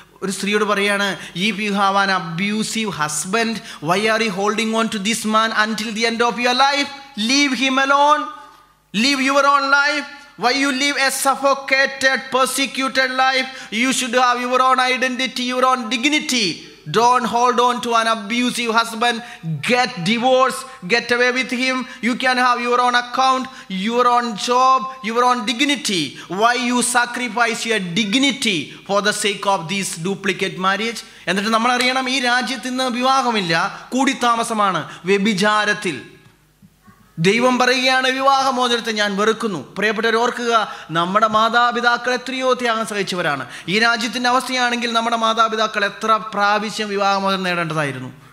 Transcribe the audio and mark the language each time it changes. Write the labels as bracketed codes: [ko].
[ml] ഒരു സ്ത്രീയോട് പറയുകയാണ്, [en] If you have an abusive husband, why are you holding on to this man until the end of your life? Leave him alone, leave your own life. Why you leave a suffocated persecuted life? You should have your own identity, your own dignity. Don't hold on to an abusive husband. Get divorced. Get away with him. You can have your own account, your own job, your own dignity. Why you sacrifice your dignity for the sake of this duplicate marriage? [ml] എന്നിട്ട് നമ്മൾ അറിയണം, ഈ രാജ്യത്തിന്ന് വിവാഹമില്ല, കൂടിത്താമസമാണ്, വ്യഭിചാരത്തിൽ. ദൈവം പറയുകയാണ്, വിവാഹമോചനത്തെ ഞാൻ വെറുക്കുന്നു. പ്രിയപ്പെട്ടവർ, ഓർക്കുക, നമ്മുടെ മാതാപിതാക്കൾ എത്രയോ ത്യാഗം സഹിച്ചവരാണ്. ഈ രാജ്യത്തിൻ്റെ അവസ്ഥയാണെങ്കിൽ നമ്മുടെ മാതാപിതാക്കൾ എത്ര പ്രാവശ്യം വിവാഹമോചനം നേടേണ്ടതായിരുന്നു.